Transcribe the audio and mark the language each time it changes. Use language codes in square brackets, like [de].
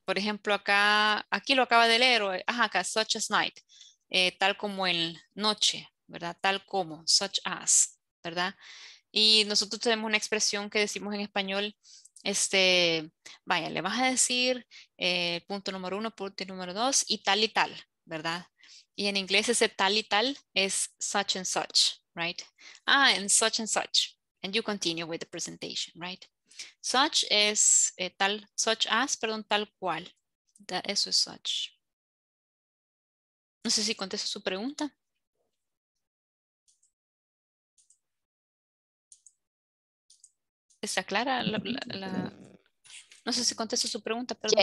[es] Por ejemplo, acá, aquí lo acaba de leer, acá, [en] such as night, [es] tal como en noche, ¿verdad? Tal como, such as, ¿verdad? Y nosotros tenemos una expresión que decimos en español, vaya, le vas a decir punto número uno, punto número dos, y tal, ¿verdad? Y en inglés ese tal y tal es such and such, right? [en] Ah, and such, and you continue with the presentation, right? [es] Such es tal, such as, perdón, tal cual, eso es such. No sé si contesto su pregunta. ¿Está clara? No sé si contesto su pregunta, perdón.